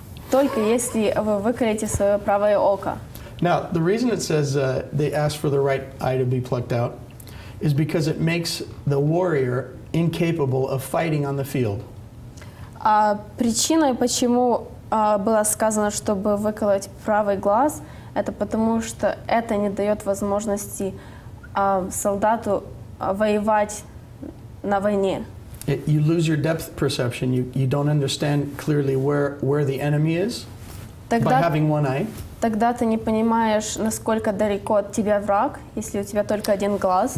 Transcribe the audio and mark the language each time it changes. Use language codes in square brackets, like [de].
[uk] Тільки якщо ви виколете своє праве око. [en] Now, the reason it says they asked for the right eye to be plucked out is because it makes the warrior incapable of fighting on the field. [uk] Причиною, чому було сказано, щоб виколоти правий глаз, це тому, що це не дає можливості солдату воювати на війні. [en] You lose your depth perception. You don't understand clearly where the enemy is [ru] тогда, [en] by having one eye. [uk] Тогда ти не розумієш, наскільки далеко від тебе враг, якщо у тебе тільки один глаз.